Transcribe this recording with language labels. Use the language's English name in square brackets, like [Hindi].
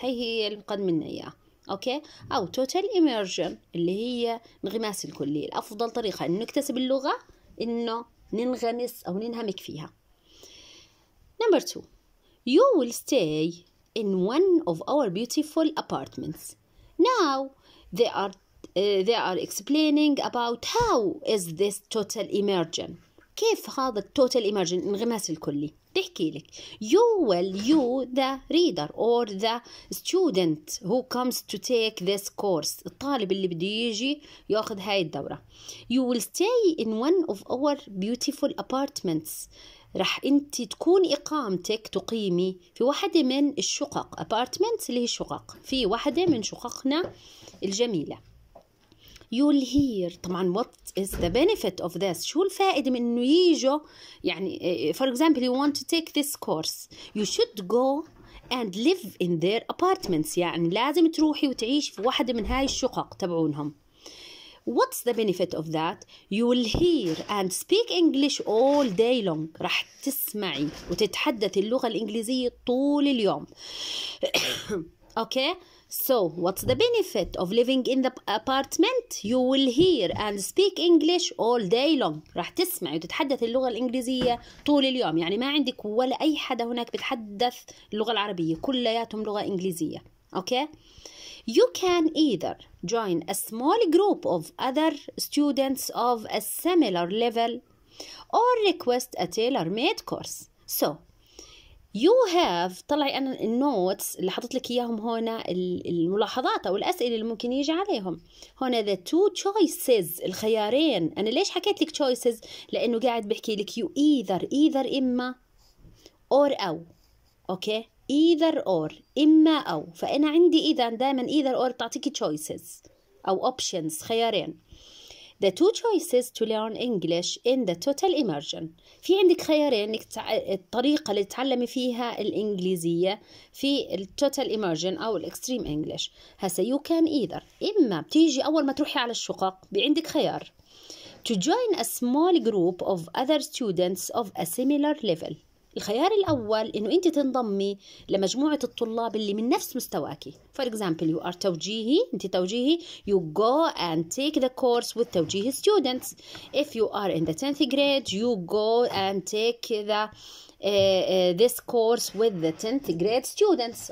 [Arabic] هاي هي اللي بتقدم لنا إياه. أوكي؟ أو total immersion اللي هي انغماس الكلي. الأفضل طريقة إنه نكتسب اللغة إنه ننغمس أو ننهمك فيها. [English] Number two. You will stay in one of our beautiful apartments. Now, they are explaining about how is this total immersion. [Arabic] كيف هذا total immersion انغماس الكلي؟ بحكي لك. [English] You the reader or the student who comes to take this course. [Arabic] الطالب اللي بده يجي ياخذ هاي الدورة. [English] You will stay in one of our beautiful apartments. [Arabic] رح أنت تكون إقامتك تقيمي في واحدة من الشقق apartments اللي هي شقق في واحدة من شققنا الجميلة. [English] You'll hear طبعا what is the benefit of this. [Arabic] شو الفائدة من أنه ييجوا يعني [English] for example you want to take this course. You should go and live in their apartments. [Arabic] يعني لازم تروحي وتعيش في واحدة من هاي الشقق تبعونهم. [English] What's the benefit of that? You will hear and speak English all day long. [Arabic] رح تسمعي وتتحدث اللغة الإنجليزية طول اليوم. [English] Okay. So what's the benefit of living in the apartment? You will hear and speak English all day long. [Arabic] رح تسمعي وتتحدث اللغة الإنجليزية طول اليوم. يعني ما عندك ولا أي حدا هناك بتحدث اللغة العربية. كلياتهم لغة إنجليزية. [English] Okay. You can either join a small group of other students of a similar level or request a tailor-made course. So, you have [Arabic] طلعي أنا النوتس اللي حطت لك إياهم هنا الملاحظات أو الأسئلة اللي ممكن يجي عليهم. هنا [English] the two choices [Arabic] الخيارين. أنا ليش حكيت لك choices؟ لأنه قاعد بحكي لك [English] you either [Arabic] إما or أو. [English] Okay. Either or [Arabic] إما أو. فأنا عندي إذا دائما either or تعطيكي choices أو options خيارين. [English] The two choices to learn English in the total immersion. [Arabic] في عندك خيارين انك الطريقة اللي تتعلمي فيها الإنجليزية في التوتال إيمرجن أو الإكستريم إنجلش. هسا [English] you can either, [Arabic] إما بتيجي أول ما تروحي على الشقق بعندك خيار [English] to join a small group of other students of a similar level. [Arabic] الخيار الأول إنه أنت تنضمي لمجموعة الطلاب اللي من نفس مستواكي. [English] For example, you are توجيهي، أنت توجيهي. You go and take the course with توجيهي students. If you are in the 10th grade, you go and take this course with the 10th grade students.